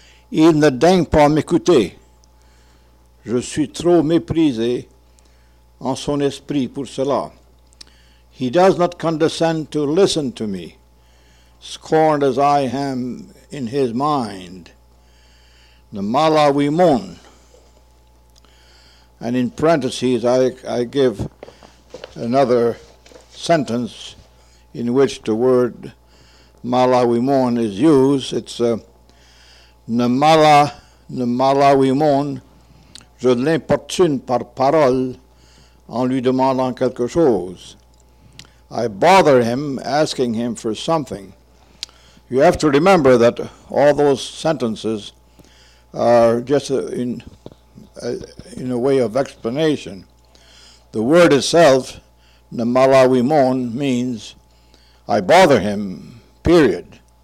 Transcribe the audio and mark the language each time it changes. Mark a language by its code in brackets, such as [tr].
[fr] Il ne daigne pas m'écouter. Je suis trop méprisé en son esprit pour cela. [en] He does not condescend to listen to me, scorned as I am in his mind. The mala wimon. And in parentheses, I give another sentence in which the word mala wimon is used. [fr] It's namala, namala wimon, je l'importune par parole en lui demandant quelque chose. [en] I bother him, asking him for something. You have to remember that all those sentences are just in a way of explanation. The word itself, namalawimon, means I bother him, period.